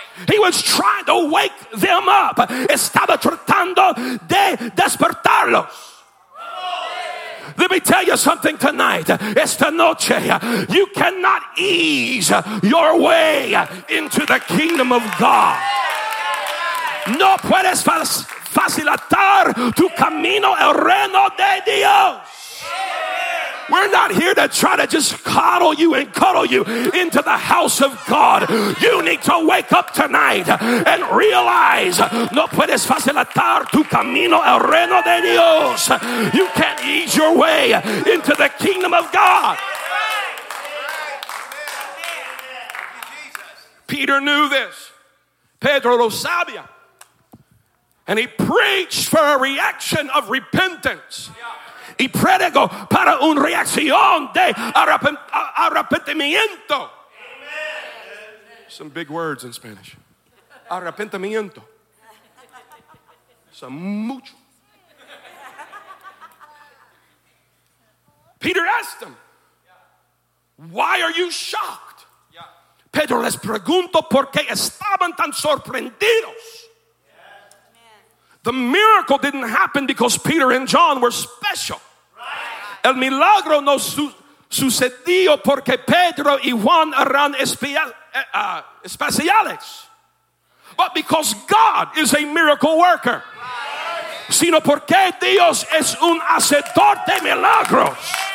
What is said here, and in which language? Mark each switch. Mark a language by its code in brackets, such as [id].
[en] He was trying to wake them up. [es] Estaba tratando de despertarlos. [en] Let me tell you something tonight. [es] Esta noche, [en] you cannot ease your way into the kingdom of God. [es] No puedes facilitar tu camino al reino de Dios. [en] We're not here to try to just coddle you and cuddle you into the house of God. You need to wake up tonight and realize [es] no puedes facilitar tu camino al reino de Dios. [en] You can't ease your way into the kingdom of God. Peter knew this. [es] Pedro lo sabía. [en] And he preached for a reaction of repentance. [es] Y predico para una reacción de arrepentimiento. Amen. [en] Some big words in Spanish. Arrepentimiento. Some mucho. Peter asked him, why are you shocked? [es] Pedro les preguntó por qué estaban tan sorprendidos. [en] The miracle didn't happen because Peter and John were special. [es] El milagro no sucedió porque Pedro y Juan eran especiales. [en] But because God is a miracle worker. [es] Sino porque Dios es un hacedor de milagros.